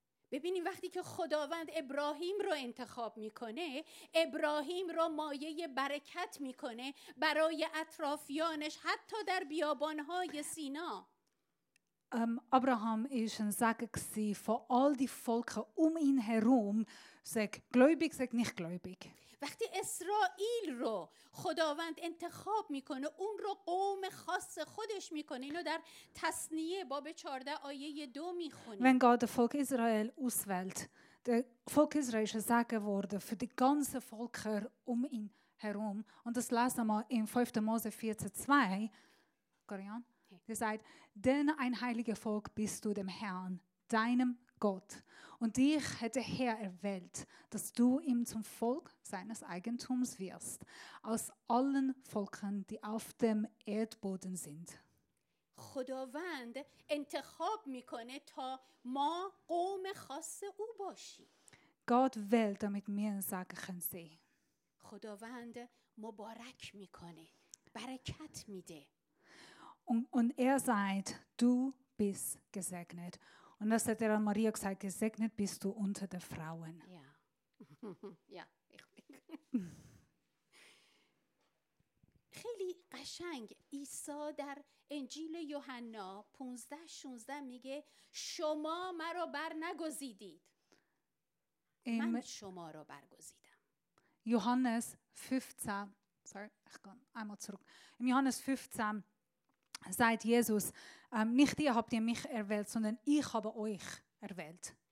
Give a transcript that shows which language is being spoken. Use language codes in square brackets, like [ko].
[fa] ببینیم وقتی که خداوند ابراهیم رو انتخاب میکنه ابراهیم رو مایه برکت میکنه برای اطرافیانش حتی در بیابانهای سینا [de] Abraham ist ein Segen für all die Volke um ihn herum, sag gläubig, sag nicht gläubig. [fa] وقتی اسرائیل رو خداوند انتخاب میکنه اون رو قوم خاص خودش میکنه اینو در تثنیه باب 14 آیه 2 میخونیم [de] Wenn Gott das Volk Israel auswählt, der Volk Israel ist Segen geworden für die ganze Volke um ihn herum und das lesen wir in 5. Mose 14:2 Korian Er sagt, denn ein heiliger Volk bist du dem Herrn, deinem Gott. Und dich hat der Herr erwählt, dass du ihm zum Volk seines Eigentums wirst, aus allen Volken, die auf dem Erdboden sind. [fa] خداوند انتخاب میکنه تا ما قوم خاص او باشی. [de] Gott wählt, damit wir ein Segen können sehen. [fa] خداوند مبارک میکنه, برکت میده. [de] Und er sagt, du bist gesegnet. Und das hat er an Maria gesagt, gesegnet bist du unter den Frauen. Ja, ja ich bin. [fa] خیلی قشنگ عیسی در انجیل یوحنا 15-16 میگه شما مرا بر نگزیدید. من شما را برگزیدم. [de] یوحنس 15 Sorry, ich komme einmal zurück. Im Johannes 15 Seid Jesus, nicht ihr habt ihr mich erwählt, sondern ich habe euch erwählt.